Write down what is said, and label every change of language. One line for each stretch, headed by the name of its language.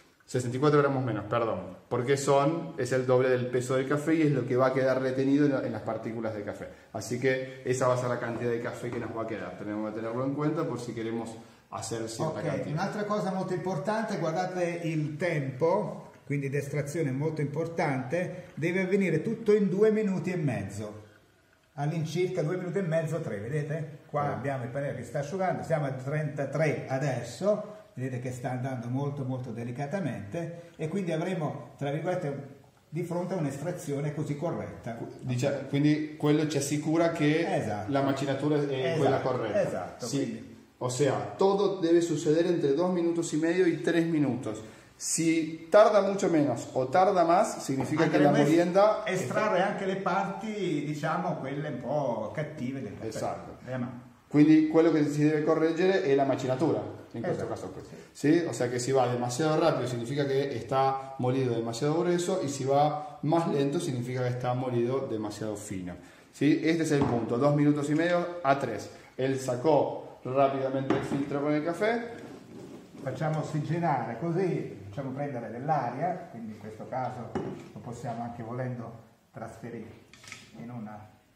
Spanish: 64 gramos menos, perdón, porque son, es el doble del peso del café y es lo que va a quedar retenido en las partículas de café. Así que esa va a ser la cantidad de café que nos va a quedar. Tenemos que tenerlo en cuenta por si queremos hacer cierta cantidad.
Italian: Ok, un'altra cosa molto importante, guardate il tempo, quindi d'estrazione molto importante, deve avvenire tutto in 2 minuti e mezzo, all'incirca 2 minuti e mezzo, 3, vedete? Qua abbiamo il pannello che sta asciugando, siamo a 33 adesso. Vedete che sta andando molto molto delicatamente e quindi avremo, tra virgolette, di fronte a un'estrazione così corretta. Dice, okay. Quindi quello ci assicura che la macinatura è quella corretta. Esatto. Sì. Ossia, tutto deve succedere
Spanish: entre
Italian: 2 minuti e mezzo e 3 minuti.
Spanish: Si tarda mucho menos o tarda más, significa
Italian: anche che
Spanish: la molienda...
Italian: Estrarre anche le parti, diciamo, quelle un po' cattive del caffè. Esatto. Quindi quello che si deve correggere è la macinatura. In questo caso questo.
Spanish: Sí, o sea que si va demasiado rápido significa que está molido demasiado grueso y si va más lento significa que está molido demasiado fino. ¿Sí? Este es el punto, 2 minutos y medio a 3. Él sacó rápidamente el filtro con el café.
Italian: Facciamo ossigenare così, facciamo prendere dell'aria, quindi in questo caso lo possiamo anche volendo trasferire in una...